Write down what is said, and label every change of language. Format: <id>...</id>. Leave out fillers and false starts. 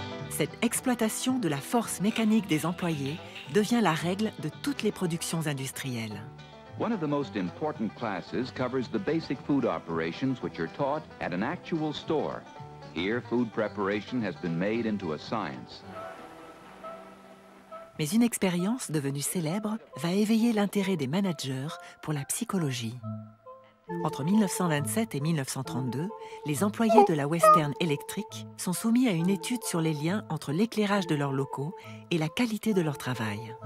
<fr>Cette exploitation de la force mécanique des employés devient la règle de toutes les productions industrielles.</fr> <en>One of the most important classes covers the basic food operations which are taught at an actual store. Here, food preparation has been made into a science.</en> <fr>Mais une expérience devenue célèbre va éveiller l'intérêt des managers pour la psychologie. Entre 1927 et 1932, les employés de la Western Electric sont soumis à une étude sur les liens entre l'éclairage de leurs locaux et la qualité de leur travail.</fr>